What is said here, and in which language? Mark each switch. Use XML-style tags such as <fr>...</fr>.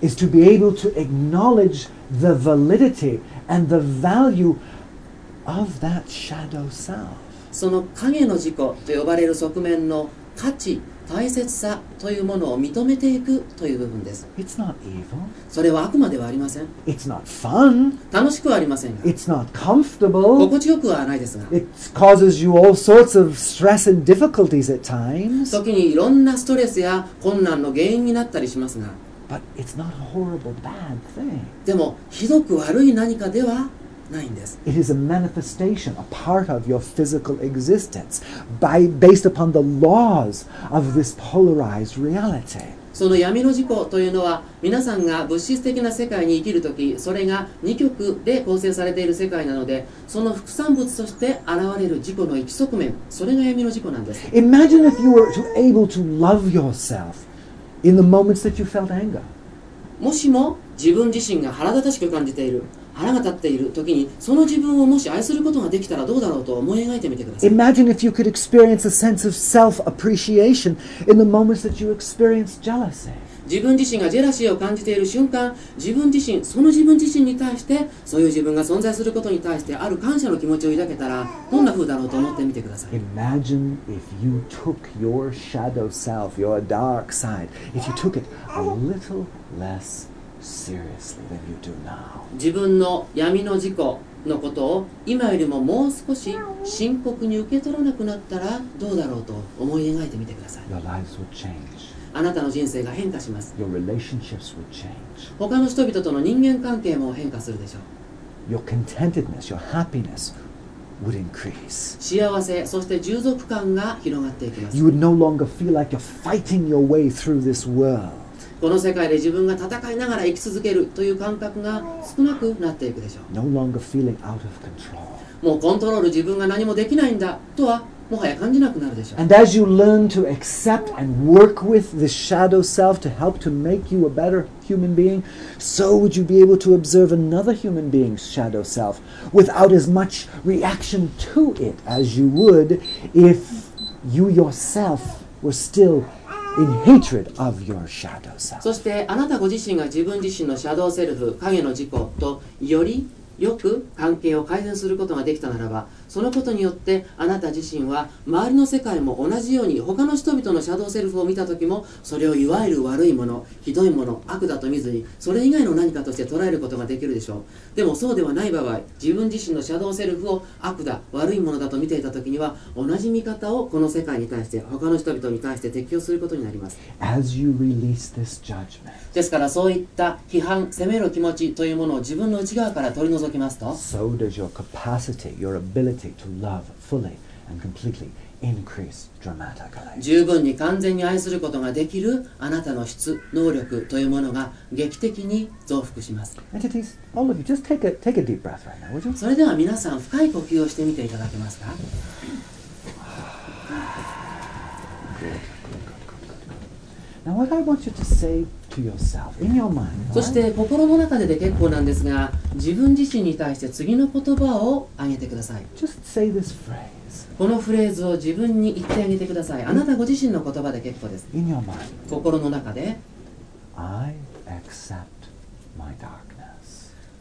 <en>is to be able to acknowledge the validity and the value of that shadow self.</en> <ja>その影の自己と呼ばれる側面の価値、大切さというものを認めていくという部分です。</ja> <en>It's not evil.</en> <ja>それはあくまではありません。</ja> <en>It's not fun.</en> <ja>楽しくはありませんが。</ja> <en>It's not comfortable.</en> <ja>心地よくはないですが。</ja> <en>It causes you all sorts of stress and difficulties at times.</en> <ja>時にいろんなストレスや困難の原因になったりしますが。</ja> <en>But it's not a horrible bad thing.</en> <ja>でも、ひどく悪い何かではないんです。</ja> <en>It is a manifestation, a part of your physical existence, based upon the laws of this polarized reality.</en> <ja>その闇の自己というのは、皆さんが物質的な世界に生きるとき、それが二極で構成されている世界なので、その副産物として現れる自己の一側面、それが闇の自己なんです。</ja> <en>Imagine if you were to able to love yourself in the moments that you felt anger.</en> <ja>もしも自分自身が腹立たしく感じている。腹が立っている時にその自分をもし愛することができたらどうだろうと思い描いてみてください。</ja> <en>Imagine if you could experience a sense of self-appreciation in the moments that you experience jealousy.</en> <ja>自分自身がジェラシーを感じている瞬間、自分自身、その自分自身に対して、そういう自分が存在することに対してある感謝の気持ちを抱けたら、どんな風だろうと思ってみてください。</ja> <en>Imagine if you took your shadow self, your dark side, if you took it a little less. Seriously, than you do now.</en> <ja>自分の闇の自己のことを今よりももう少し深刻に受け取らなくなったらどうだろうと思い描いてみてください。</ja> <en>Your lives will change.</en> <ja>あなたの人生が変化します。</ja> <en>Your relationships will change.</en> <ja>他の人々との人間関係も変化するでしょう。</ja> <en>Your contentedness, your happiness would increase.</en> <ja>幸せ、そして従属感が広がっていきます。</ja> <en>You would no longer feel like you're fighting your way through this world.</en> <ja>この世界で自分が戦いながら生き続けるという感覚が少なくなっていくでしょう。</ja> <en>No longer feeling out of control.</en> <ja>もうコントロール、自分が何もできないんだとはもはや感じなくなるでしょう。</ja> <en>And as you learn to accept and work with the shadow self to help to make you a better human being, so would you be able to observe another human being's shadow self without as much reaction to it as you would if you yourself were still in hatred of your shadow self.</en> <ja>そしてあなたご自身が自分自身のシャドウセルフ、影の自己とよりよく関係を改善することができたならば、そのことによってあなた自身は周りの世界も同じように他の人々のシャドウセルフを見たときも、それをいわゆる悪いもの、ひどいもの、悪だと見ずに、それ以外の何かとして捉えることができるでしょう。でもそうではない場合、自分自身のシャドウセルフを悪だ、悪いものだと見ていたときには、同じ見方をこの世界に対して他の人々に対して適用することになります。</ja> <en>As you release this judgment,</en> <ja>ですからそういった批判、責める気持ちというものを自分の内側から取り除きますと、</ja> <en>So does your capacity, your abilityTo love fully and completely increase dramatically.</en> <ja>十分に完全に愛することができるあなたの質、能力というものが劇的に増幅します。</ja> <en>Entities, all of you, just take a deep breath right now, would you?</en> <ja>それでは皆さん深い呼吸をしてみていただけますか。</ja> <en>Now what I want you to say to yourself in your mind.</en> <ja>そして心の中でで結構なんですが、自分自身に対して次の言葉を挙げてください。</ja> <en>Just say this phrase.</en> <ja>このフレーズを自分に言ってあげてください。あなたご自身の言葉で結構です。</ja> <en>In your mind.</en> <ja>心の中で。</ja> <en>I accept my darkness.</en>